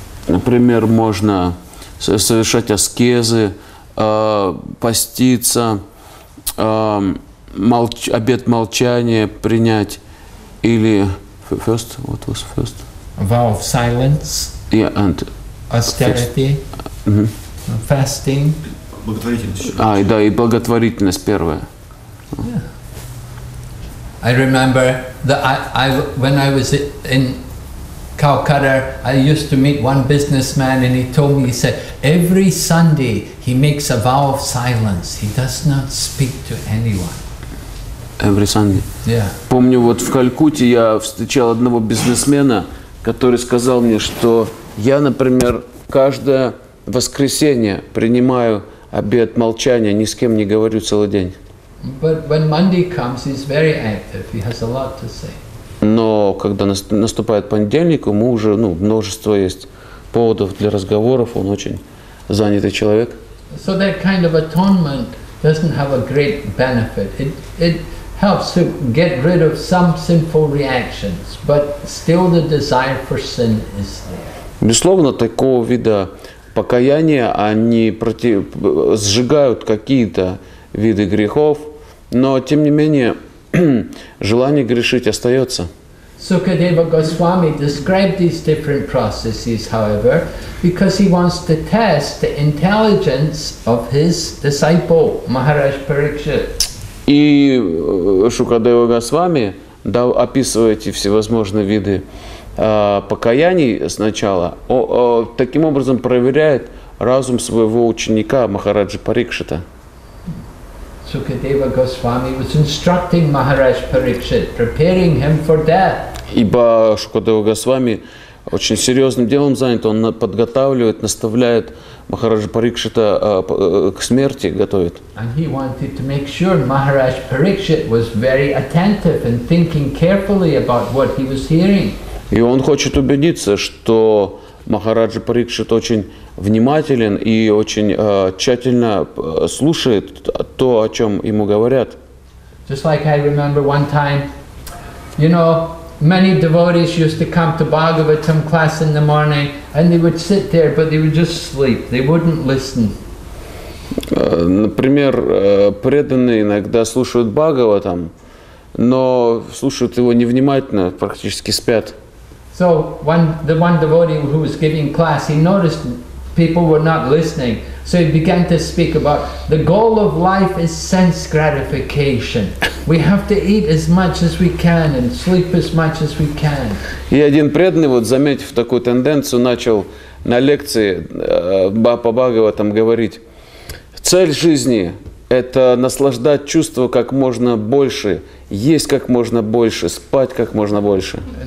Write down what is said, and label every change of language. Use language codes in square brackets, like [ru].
[ru] Например, можно совершать аскезы, поститься, обет молчания принять, или [en] first, what was first? A vow of silence. Yeah, and austerity. Fasting. [ru] Благотворительность. А, да, и благотворительность первая. [en] Yeah. I remember that when I was in Calcutta, I used to meet one businessman and he told me, he said, every Sunday he makes a vow of silence. He does not speak to anyone. Every Sunday. Yeah. [ru] Помню, вот в Калькутте я встречал одного бизнесмена, который сказал мне, что я, например, каждое воскресенье принимаю обет молчания, ни с кем не говорю целый день. [en] But when Monday comes, he's very active. He has a lot to say. [ru] Но когда наступает понедельник, ему уже множество есть поводов для разговоров, он очень занятый человек. [en] So that kind of atonement doesn't have a great benefit. It helps to get rid of some sinful reactions, but still the desire for sin is there. [ru] Безусловно, такого вида покаяния они сжигают какие-то виды грехов, но тем не менее желание грешить остается. [en] Sukadeva Goswami described these different processes, however, because he wants to test the intelligence of his disciple Maharaj Parikshit. [ru] И Шукадева Госвами описывает эти всевозможные виды покаяний сначала, таким образом проверяет разум своего ученика Махараджи Парикшита. [en] Sukadeva Goswami was instructing Maharaj Parikshit, preparing him for death. [ru] Ибо Шукадева Госвами очень серьезным делом занят, он подготавливает, наставляет Махараджа Парикшита к смерти, готовит. [en] And he wanted to make sure Maharaj Parikshit was very attentive and thinking carefully about what he was hearing. [ru] И он хочет убедиться, что Махараджа Парикшит очень внимателен и очень тщательно слушает то, о чем ему говорят. [en] Just like I remember one time, many devotees used to come to Bhagavatam class in the morning, and they would sit there, but they would just sleep. They wouldn't listen. [ru] Например, преданные иногда слушают Бхагаватам, но слушают его невнимательно, практически спят. [en] So one devotee who was giving class, he noticed people were not listening. So he began to speak about the goal of life is sense gratification. We have to eat as much as we can and sleep as much as we can. [ru] И один преданный, вот заметив такую тенденцию, начал на лекции по Бхагаватам говорить: цель жизни – это наслаждать чувства как можно больше, есть как можно больше, спать как можно больше.